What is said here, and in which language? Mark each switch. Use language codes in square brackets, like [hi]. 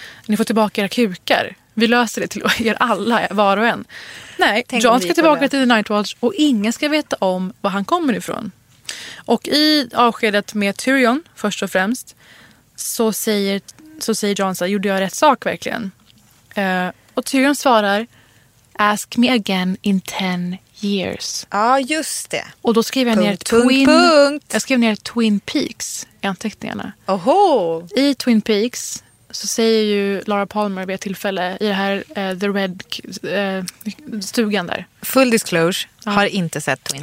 [sv] Ni får tillbaka era kukar. Vi löser det till er alla, var och en. Nej, Jon ska tillbaka till The Night Watch och ingen ska veta om var han kommer ifrån. Och i avskedet med Tyrion, först och främst, så säger Jon så här, gjorde jag rätt sak verkligen? Och Tyrion svarar, [en] ask me again in 10 years. [sv] Ja, just det. Och då skriver jag ner Twin Peaks i anteckningarna. Oho! I Twin Peaks så säger ju Laura Palmer vid ett tillfälle i det här The Red stugan där. [en] Full disclosure, [sv] har inte sett Twin Peaks.